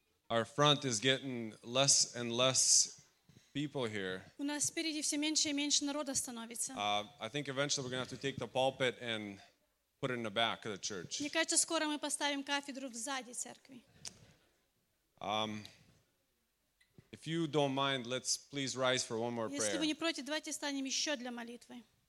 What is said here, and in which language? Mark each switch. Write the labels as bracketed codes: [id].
[en] Our front is getting less and less people here. [ru] У нас впереди все меньше и меньше народа становится. [en] I think eventually we're going to have to take the pulpit and put it in the back of the church. [ru] Мне кажется, скоро мы поставим кафедру сзади церкви. [en] If you don't mind, let's please rise for one more prayer. [ru] Если вы не против, давайте встанем еще для молитвы.